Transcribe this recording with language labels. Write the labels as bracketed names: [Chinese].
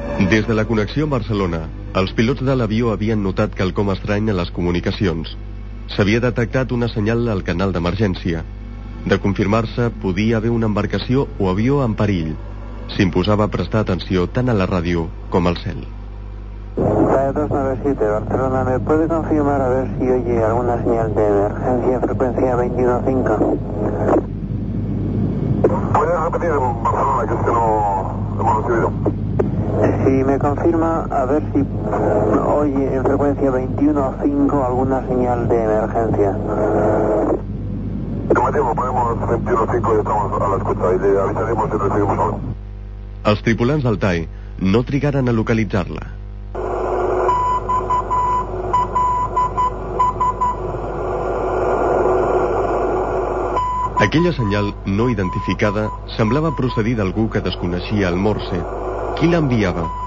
[Catalan] Des de la connexió a Barcelona, els pilots de l'avió havien notat quelcom estrany a les comunicacions. S'havia detectat una senyal al canal d'emergència. De confirmar-se, podia haver una embarcació o avió en perill. S'imposava prestar atenció tant a la ràdio com al cel. [Spanish] TAE 297, Barcelona, ¿me puede confirmar a ver si oye alguna señal de emergencia, frecuencia 21.5? ¿Puede repetir en Barcelona que usted no hemos recibido? Si me confirma, a ver si oye en frecuencia 21.5 alguna señal de emergencia. Toma tiempo, ponemos 21.5 y estamos a la escucha y le avisaremos si recibimos algo. [Catalan] Els tripulants del TAE no trigaren a localitzar-la. Aquella senyal, no identificada, semblava procedir d'algú que desconeixia el morse. Qui l'enviava?